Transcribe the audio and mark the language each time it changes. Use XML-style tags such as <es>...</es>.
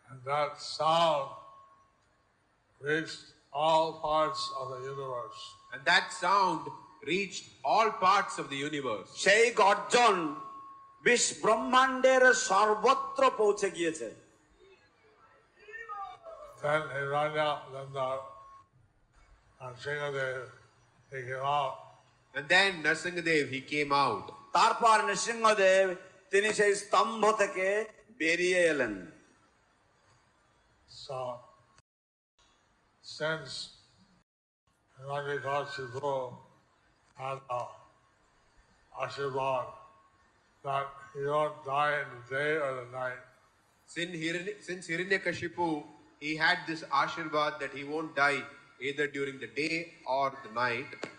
<en>That sound reached all parts of the universe. And that sound reached all parts of the universe.</en> <bn>সেই গর্জন বিশ্ব ব্রহ্মাণ্ডের সর্বত্র পৌঁছে গিয়েছে।</bn> <en>Then Narsingadev, he came out. And then Narsingadev, he came out.</en> <bn>তারপর নৃসিংহদেব তিনি সেই স্তম্ভ থেকে বেরিয়ে এলেন।</bn> <en>So, since Hiranyakashipu had a ashirvad that he won't die in the day or the night. Since Hiranyakashipu, he had this ashirvad that he won't die either during the day or the night.</en>